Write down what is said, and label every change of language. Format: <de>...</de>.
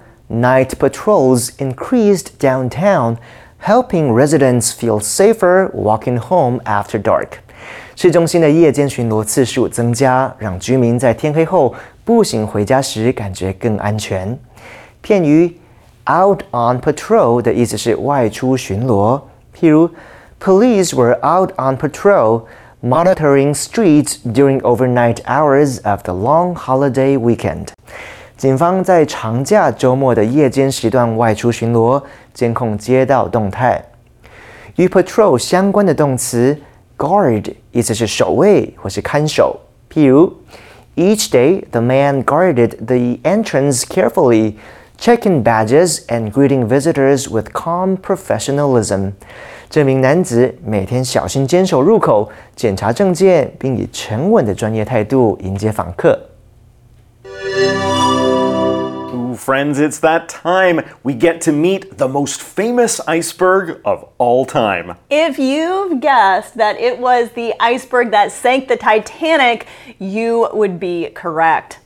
<en>Night patrols increased downtown, helping residents feel safer walking home after dark.</en> <zh>市中心的夜间巡逻次数增加，让居民在天黑后步行回家时感觉更安全。片语</zh> <en>out on patrol</en> <zh>的意思是外出巡逻。譬如</zh> <en>，Police were out on patrol, monitoring streets during overnight hours of the long holiday weekend.</en> <zh>警方在长假周末的夜间时段外出巡逻，监控街道动态。与 patrol 相关的动词。Guard 意思是守卫或是看守。譬如</zh> <en>，Each day the man guarded the entrance carefully, checking badges and greeting visitors with calm professionalism.</en> <zh>这名男子每天小心坚守入口，检查证件，并以沉稳的专业态度迎接访客。</zh> <en>Ooh, friends, it's that time we get to meet the most famous iceberg of all time. If you've guessed that it was the iceberg that sank the Titanic, you would be correct.</en>